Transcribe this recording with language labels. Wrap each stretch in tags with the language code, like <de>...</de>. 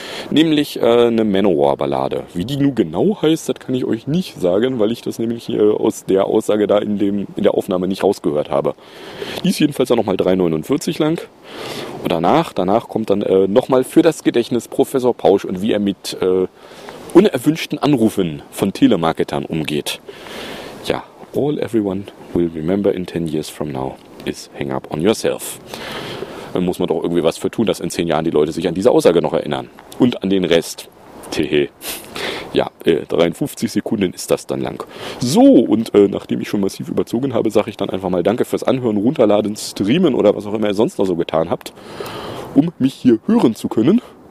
<de>Nämlich eine Manowar-Ballade. Wie die nun genau heißt, das kann ich euch nicht sagen, weil ich das nämlich hier aus der Aussage da in der Aufnahme nicht rausgehört habe. Die ist jedenfalls auch nochmal 3,49 lang. Und danach kommt dann nochmal für das Gedächtnis Professor Pausch und wie er mit unerwünschten Anrufen von Telemarketern umgeht.</de> <en>Ja, all everyone will remember in 10 years from now is hang up on yourself.</en> <de>Da muss man doch irgendwie was für tun, dass in 10 Jahren die Leute sich an diese Aussage noch erinnern. Und an den Rest. Tehe. Ja, 53 Sekunden ist das dann lang. So, und nachdem ich schon massiv überzogen habe, sage ich dann einfach mal danke fürs Anhören, Runterladen, Streamen oder was auch immer ihr sonst noch so getan habt, um mich hier hören zu können.</de>